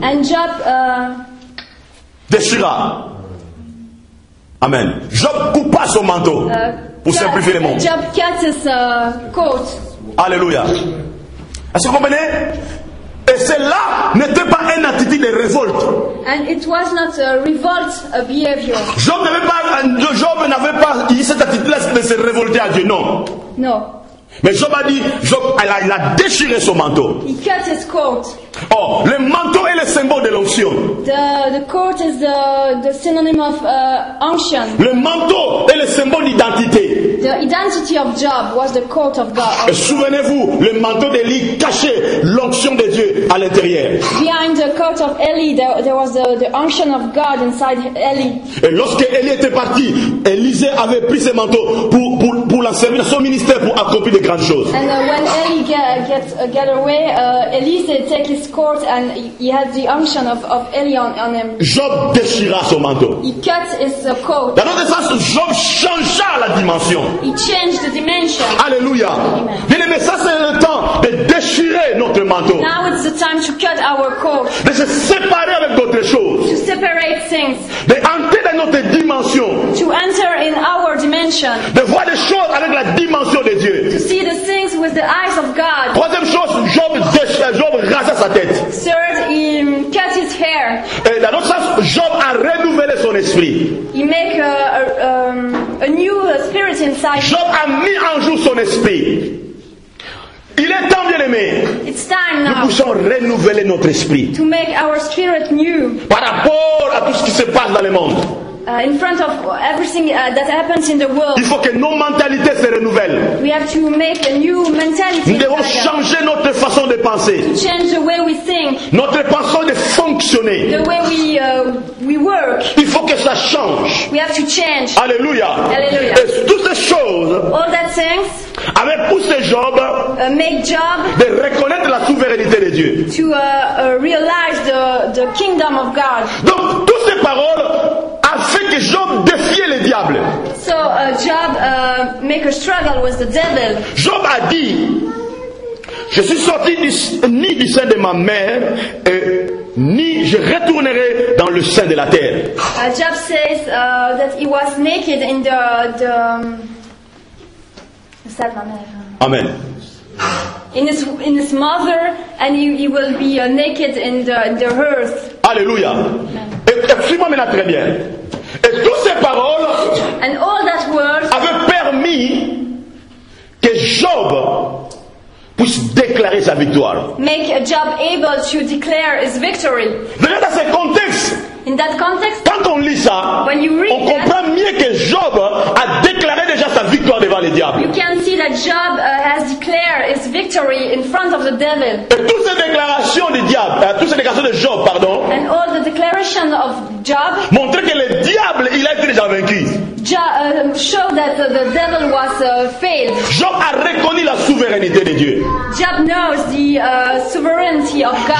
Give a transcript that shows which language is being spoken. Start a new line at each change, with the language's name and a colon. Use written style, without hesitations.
English: And Job
French: déchira. Amen. Job coupa son manteau. Pour simplifier les mots.
English: Job cut his coat.
French: Alléluia. Est-ce que vous comprenez? Et cela n'était pas une attitude de révolte.
English: And it was not a revolt a behavior.
French: Job n'avait pas eu cette attitude de se révolter à Dieu. Non.
English: No.
French: Mais Job a dit, Job, il a déchiré son manteau.
English: He cut his coat.
French: Oh, le manteau est le symbole de l'onction.
English: The coat is the synonym of unction.
French: Le manteau est le symbole d'identité.
English: The identity of Job was the coat of God.
French: Et souvenez-vous, le manteau d'Eli cachait l'onction de Dieu à l'intérieur.
English: Behind the coat of Eli, there was the unction of God inside Eli.
French: Et lorsque Eli était parti, Élisée avait pris ce manteau pour la servir dans son ministère pour accomplir de grandes choses.
English: And when Eli get away, Élisée take his coat and he had the unction of Eli on him.
French: Job déchira son manteau.
English: He cut his coat.
French: Dans notre sens, Job changea la dimension.
English: He changed the dimension. Alléluia.
French: Bien aimé, ça c'est le temps de déchirer notre manteau.
English: Now it's the time to cut our coat.
French: De se séparer avec d'autres choses.
English: To separate things.
French: De entrer dans notre dimension.
English: To enter in our dimension.
French: De voir des choses avec la dimension de Dieu.
English: To see the things with the eyes of God.
French: Troisième chose, Job rasa sa tête.
English: Third, he cut his hair.
French: Et dans notre sens, Job a renouvelé son esprit.
English: He make a new spirit.
French: Job a mis en jour son esprit. Il est temps, bien aimé.
English: It's time now.
French: Nous puissions renouveler notre esprit.
English: To make our spirit new.
French: Par rapport à tout ce qui se passe dans le monde.
English: In front of everything that happens in the world,
French: il faut que nos mentalités se renouvellent.
English: We have to make a new mentality.
French: Nous devons changer notre façon de penser.
English: To change the way we think.
French: Notre façon de fonctionner.
English: The way we work.
French: Il faut que ça change.
English: We have to change. Alléluia. Alléluia.
French: Et toutes ces choses.
English: All that things.
French: Avec pousser Job.
English: Make Job.
French: De reconnaître la souveraineté de Dieu.
English: To realize the kingdom of God.
French: Donc toutes ces paroles. Fait que Job défiait le diable.
English: So Job make a struggle with the devil.
French: Job a dit, je suis sorti ni du sein de ma mère et ni je retournerai dans le sein de la terre.
English: Job says that he was naked in the
French: sein de ma mère. Amen.
English: In his mother and he will be naked in the earth.
French: Alléluia. Suis-moi maintenant très bien. Et toutes ces paroles avaient permis que Job puisse déclarer sa victoire.
English: Make a Job able to declare his victory.
French: Mais dans ce contexte,
English: in that context,
French: quand on lit ça,
English: when you read
French: on comprend
English: that,
French: mieux que Job a déclaré déjà sa victoire devant le diable.
English: You can see that Job has declared his victory in front of the devil.
French: Et toutes ces déclarations du diable, toutes ces déclarations de Job, pardon,
English: and all the declaration of Job,
French: montrent que le diable il a été déjà vaincu.
English: Show that the devil was failed.
French: Job a reconnu la souveraineté de Dieu.
English: Job knows the sovereignty of God.